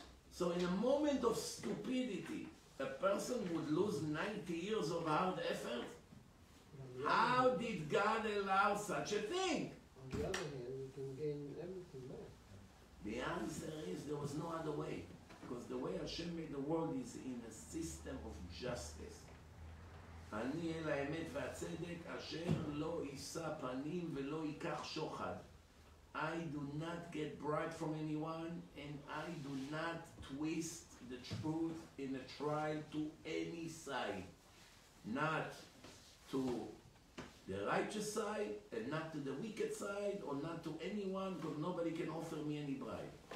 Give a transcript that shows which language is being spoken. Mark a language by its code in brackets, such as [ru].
[en] So in a moment of stupidity, a person would lose 90 years of hard effort? How did God allow such a thing? On the other hand, we can gain everything back. The answer is there was no other way. Because the way Hashem made the world is in a system of justice. [he] אני אל האמת והצדק אשר לא יישא פנים ולא ייקח שוחד. [en] I do not get bribed from anyone and I do not twist the truth in a trial to any side. Not to the righteous side and not to the wicked side or not to anyone because nobody can offer me any bribe.